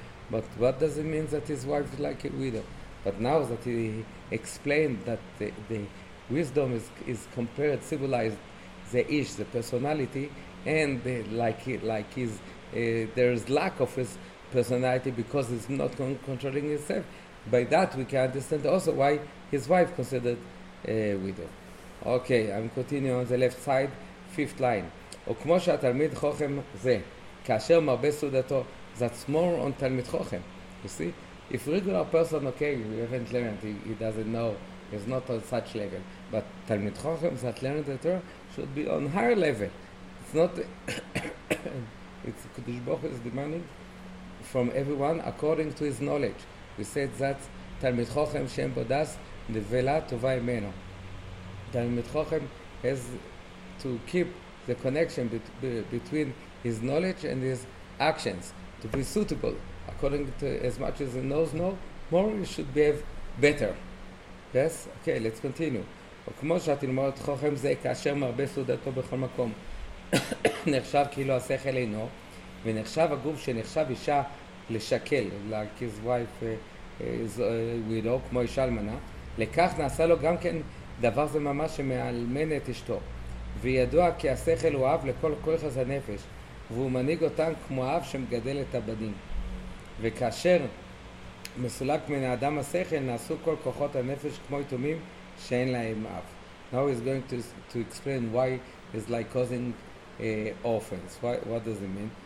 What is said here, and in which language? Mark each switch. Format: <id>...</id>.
<en>But what does it mean that his wife is like a widow? But now that he explained that the wisdom is compared, symbolized the ish, the personality, and the, like his. There is lack of his personality because he's not controlling himself. By that, we can understand also why his wife considered a widow. Okay, I'm continuing on the left side, fifth line.</en> <he>וכמו שהתלמיד חוכם זה, כאשר מרבה סעודתו,</he> <en>that's more on</en> <he>תלמיד חוכם.</he> <en>You see, if regular person, okay, you haven't learned, he doesn't know, he's not on such level. But תלמיד חוכם, that learned the Torah, should be on higher level. It's not... It's Kodesh Baruch is demanding from everyone according to his knowledge. We said that</en> <he>Talmid Chochem Shem Bodas Nevela Tova Emeno.</he> <en>Talmid Chochem has to keep the connection between his knowledge and his actions to be suitable. According to as much as he knows now, more he should be better. Yes? Okay, let's continue.</en> <he>וכמו שהתלמוד חוכם זה כאשר מרבה סעודתו בכל מקום. נחשב כאילו השכל אינו ונחשב הגוף שנחשב אישה לשקל</he> <en>like his wife widow</en> <he>כמו אישה אלמנה לכך נעשה לו גם כן דבר זה ממש שמאלמן את אשתו וידוע כי השכל הוא אב לכל כוח אז הנפש והוא מנהיג אותם כמו אב שמגדל את הבנים וכאשר מסולק מן האדם השכל נעשו כל כוחות הנפש כמו יתומים שאין להם אב</he> <en>Now he's going to explain why it's like causing offense. Why? What does it mean?</en>